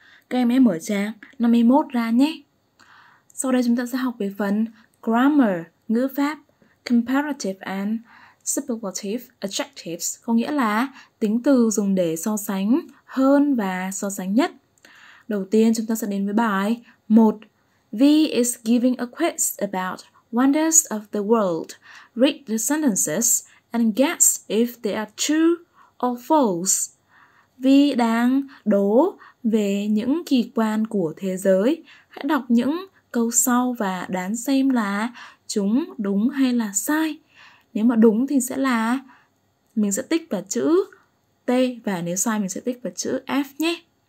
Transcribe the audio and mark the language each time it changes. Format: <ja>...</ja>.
<vi>Các em hãy mở trang 51 ra nhé. Sau đây chúng ta sẽ học về phần Grammar, ngữ pháp,</vi> <en>Comparative and Superlative Adjectives,</en> <vi>có nghĩa là tính từ dùng để so sánh hơn và so sánh nhất. Đầu tiên chúng ta sẽ đến với bài 1.</vi> <en>V is giving a quiz about wonders of the world. Read the sentences and guess if they are true or false.</en> <vi>V đang đố về những kỳ quan của thế giới. Hãy đọc những câu sau và đoán xem là chúng đúng hay là sai. Nếu mà đúng thì sẽ là mình sẽ tích vào chữ T, và nếu sai mình sẽ tích vào chữ F nhé.</vi>